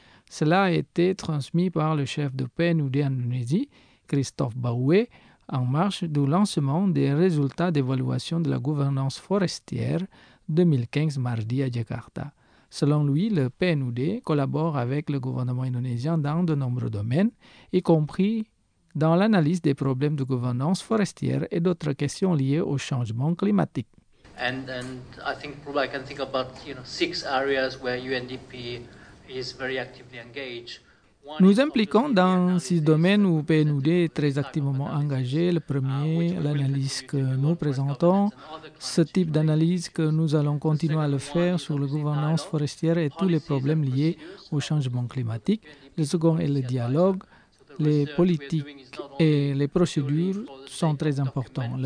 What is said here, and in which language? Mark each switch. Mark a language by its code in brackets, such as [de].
[fr] Cela a été transmis par le chef de PNUD Indonésie, Christophe Baoué, en marche du lancement des résultats d'évaluation de la gouvernance forestière 2015 mardi à Jakarta. Selon lui, le PNUD collabore avec le gouvernement indonésien dans de nombreux domaines, y compris dans l'analyse des problèmes de gouvernance forestière et d'autres questions liées au changement climatique. [en] And I think probably I can think about, you know, six areas where UNDP is very actively engaged. [fr] Nous impliquons dans six domaines où PNUD est très activement engagé. Le premier, l'analyse que nous présentons, ce type d'analyse que nous allons continuer à le faire sur la gouvernance forestière et tous les problèmes liés au changement climatique. Le second est le dialogue. Les politiques et les procédures sont très importantes.